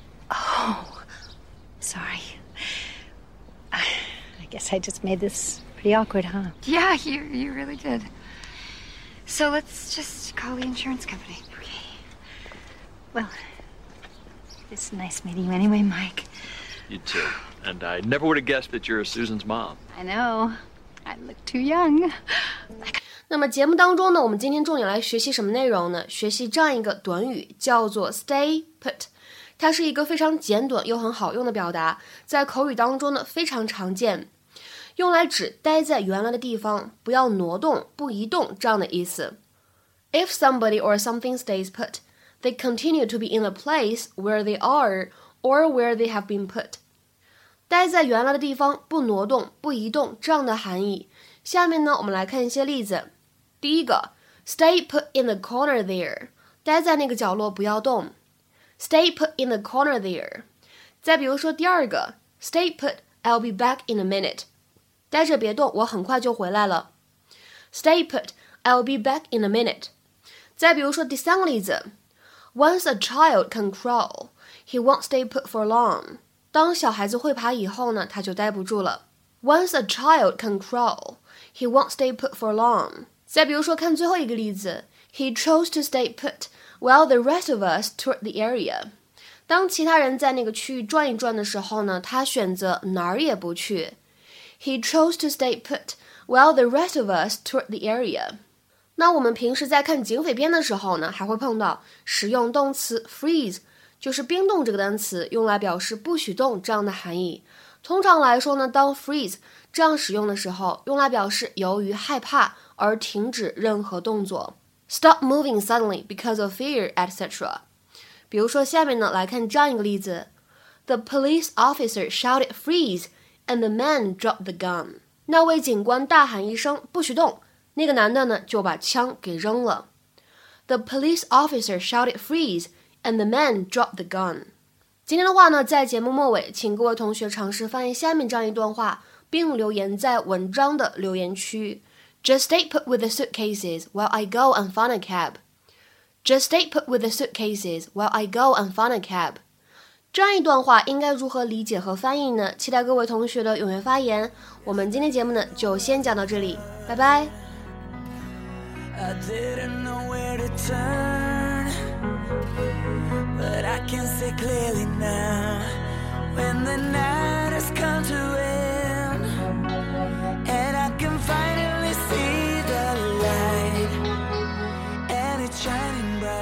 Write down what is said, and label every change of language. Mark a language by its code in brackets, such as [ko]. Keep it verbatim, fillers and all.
[en] Oh, sorry. I guess I just made this... Pretty awkward, huh? Yeah, you, you really did. So let's just call the insurance company. Okay. Well, it's nice meeting you anyway, Mike. You too. And I never would have guessed that you're Susan's mom. I know. I look too young. [zh] 那么节目当中呢，我们今天重点来学习什么内容呢？学习这样一个短语，叫做 stay put。它是一个非常简短又很好用的表达，在口语当中呢非常常见。用来指待在原来的地方，不要挪动，不移动这样的意思。 [en] If somebody or something stays put, they continue to be in the place where they are or where they have been put. [zh] 待在原来的地方，不挪动，不移动这样的含义。下面呢，我们来看一些例子。第一个 [en] ，Stay put in the corner there. [zh] 待在那个角落，不要动。 [en] Stay put in the corner there. [zh] 再比如说第二个 ， [en] Stay put. I'll be back in a minute. [zh] 待着别动，我很快就回来了。 [en] Stay put, I'll be back in a minute. [zh] 再比如说第三个例子 [en] ，Once a child can crawl, he won't stay put for long. [zh] 当小孩子会爬以后呢，他就待不住了。 [en] Once a child can crawl, he won't stay put for long. [zh] 再比如说看最后一个例子 [en] ，He chose to stay put while the rest of us toured the area. [zh] 当其他人在那个区域转一转的时候呢，他选择哪儿也不去。 [en] He chose to stay put while the rest of us toured the area. [zh] 那我们平时在看警匪片的时候呢，还会碰到使用动词 freeze， 就是冰冻这个单词，用来表示不许动这样的含义。通常来说呢，当 freeze 这样使用的时候，用来表示由于害怕而停止任何动作。 [en] Stop moving suddenly because of fear, et cetera. [zh] 比如说下面呢，来看这样一个例子。 [en] The police officer shouted freeze, and the man dropped the gun. [zh] 那位警官大喊一声不许动，那个男的呢就把枪给扔了。 [en] The police officer shouted freeze, and the man dropped the gun. [zh] 今天的话呢，在节目末尾，请各位同学尝试翻译下面这样一段话，并留言在文章的留言区。 [en] Just stay put with the suitcases while I go and find a cab. Just stay put with the suitcases while I go and find a cab. [zh] 这样一段话应该如何理解和翻译呢？期待各位同学的踊跃发言。我们今天节目呢就先讲到这里，拜拜。 [en] I didn't know where to turn, but I can see clearly now. When the night has come to end, and I can finally see the light, and it's shining.